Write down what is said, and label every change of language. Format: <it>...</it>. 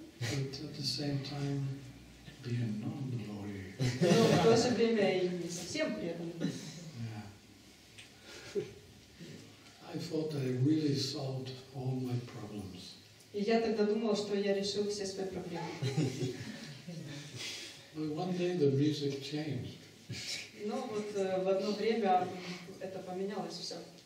<en>But at the same time, be a non-devotee.</en> <ru>Но в то же время и не совсем преданным.</ru> <en>I thought that I really solved all my problems.</en> <ru>И я тогда думал, что я решил все свои проблемы.</ru> <en>But one day the music changed.</en> <ru>Но вот в одно время это поменялось все.</ru>